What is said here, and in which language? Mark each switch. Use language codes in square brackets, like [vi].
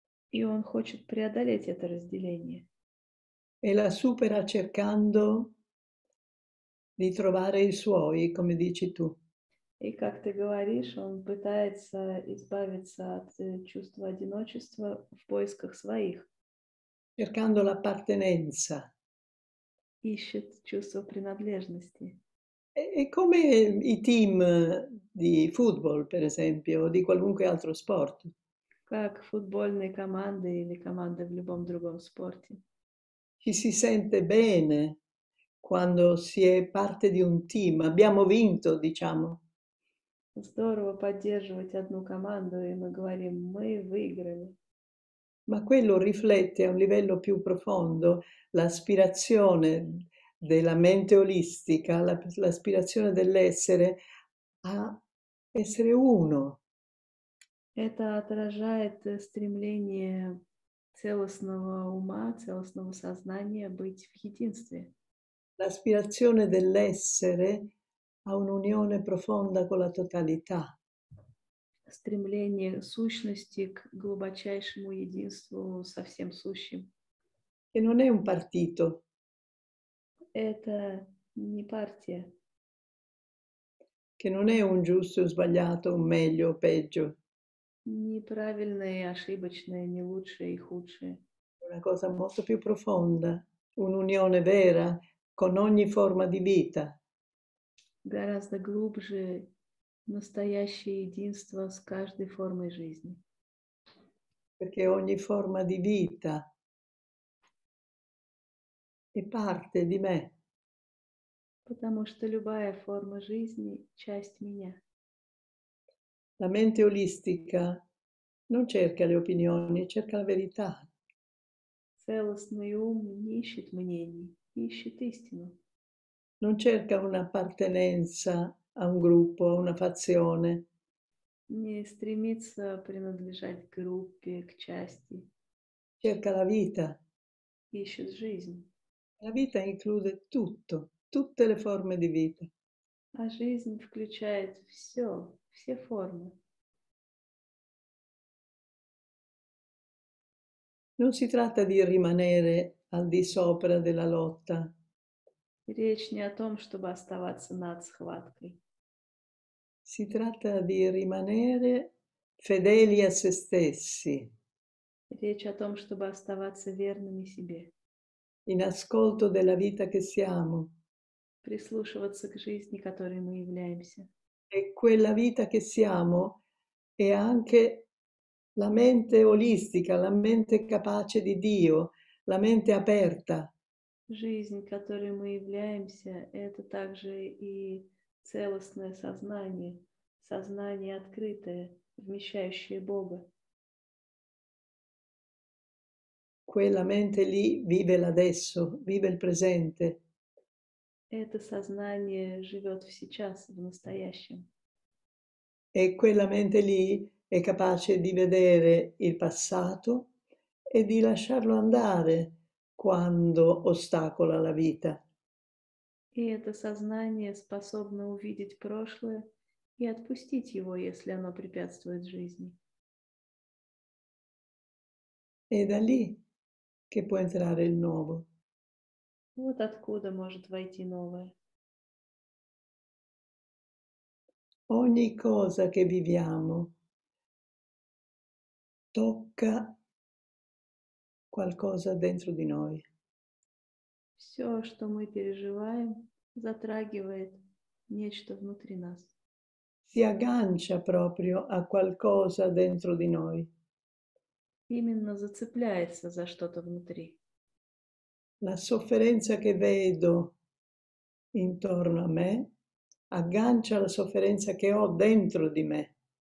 [ru] И он хочет преодолеть это разделение. [it] E la supera cercando di trovare i suoi, come dici tu. [ru] И как ты говоришь, он пытается избавиться от чувства одиночества в поисках своих. [it] Cercando l'appartenenza. [ru] Ищет чувство принадлежности. [it] È come i team di football, per esempio, o di qualunque altro sport. [ru] Как футбольные команды или команды в любом другом спорте. [it] Ci si sente bene quando si è parte di un team. Abbiamo vinto, diciamo. [ru] Здорово поддерживать одну команду, и мы говорим: мы выиграли. [it] Ma quello riflette a un livello più profondo l'aspirazione della mente olistica, l'aspirazione dell'essere a essere uno. [ru] Это отражает стремление целостного ума, целостного сознания быть в единстве. [it] L'aspirazione dell'essere a un'unione profonda con la totalità. [ru] Стремление сущности к глубочайшему единству со всем сущим. [it] E non è un partito. [ru] Это не партия. [it] Che non è un giusto o sbagliato, un meglio o peggio. [ru] Неправильное и ошибочное, не лучшее и худшее. [it] una cosa molto più profonda, un'unione vera con ogni forma di vita. [ru] гораздо глубже настоящее единство с каждой формой жизни. [it] Perché ogni forma di vita è parte di me. [ru] Потому что любая форма жизни – часть меня. [it] La mente olistica non cerca le opinioni, cerca la verità. [ru] Целостный ум не ищет мнений, ищет истину. [it] Non cerca un'appartenenza a un gruppo, a una fazione. [ru] Не стремится принадлежать к группе, к части. [it] Cerca la vita. [ru] Ищет жизнь. [it] La vita include tutto, tutte le forme di vita. [ru] А жизнь включает все, все формы. [it] Non si tratta di rimanere al di sopra della lotta. [ru] Речь не о том, чтобы оставаться над схваткой. [it] Si tratta di rimanere fedeli a se stessi. [ru] Речь о том, чтобы оставаться верными себе. [it] In ascolto della vita che siamo. [ru] Прислушиваться к жизни, которой мы являемся. [it] E quella vita che siamo è anche la mente olistica, la mente capace di Dio, la mente aperta. [ru] Жизнь, которой мы являемся, это также и целостное сознание, сознание открытое, вмещающее Бога. [it] Quella mente lì vive l'adesso, vive il presente. [ru] Это сознание живет сейчас, в настоящем. [it] E quella mente lì è capace di vedere il passato e di lasciarlo andare quando ostacola la vita. [ru] И это сознание способно увидеть прошлое и отпустить его, если оно препятствует жизни. [it] È da lì che può entrare il nuovo. [ru] Вот откуда может войти новое. [it] Ogni cosa che viviamo tocca qualcosa dentro di noi. [ru] Все, что мы переживаем, затрагивает нечто внутри нас. [it] Si aggancia proprio a qualcosa dentro di noi. [ru] Именно зацепляется за что-то внутри. [it] La sofferenza che vedo intorno a me aggancia la sofferenza che ho dentro di me.